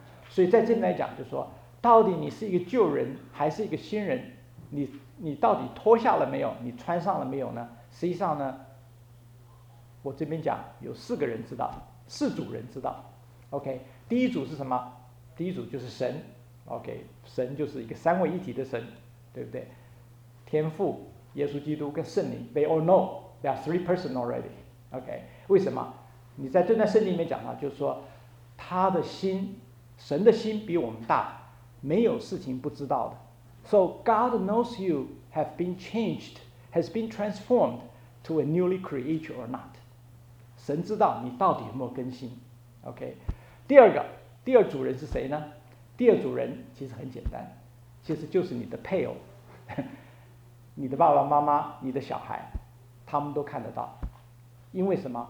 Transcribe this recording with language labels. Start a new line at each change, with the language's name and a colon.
Chinese: 所以在这里来讲就是说，到底你是一个旧人还是一个新人， 你到底脱下了没有，你穿上了没有呢？实际上呢，我这边讲有四个人知道，四组人知道。 OK， 第一组是什么？第一组就是神。OK， 神就是一个三位一体的神，对不对？
English: 天父、耶稣基督跟圣灵， They all know they are three persons already。
Chinese: OK， 为什么？你在这段圣经里面讲到，就是说他的心，神的心比我们大，没有事情不知道的。
English: So God knows you have been changed, has been transformed to a newly creature or not.
Chinese: 神知道你到底有没有更新。OK， 第二个，第二组人是谁呢？第二组人其实很简单，其实就是你的配偶，你的爸爸妈妈，你的小孩，他们都看得到。因为什么？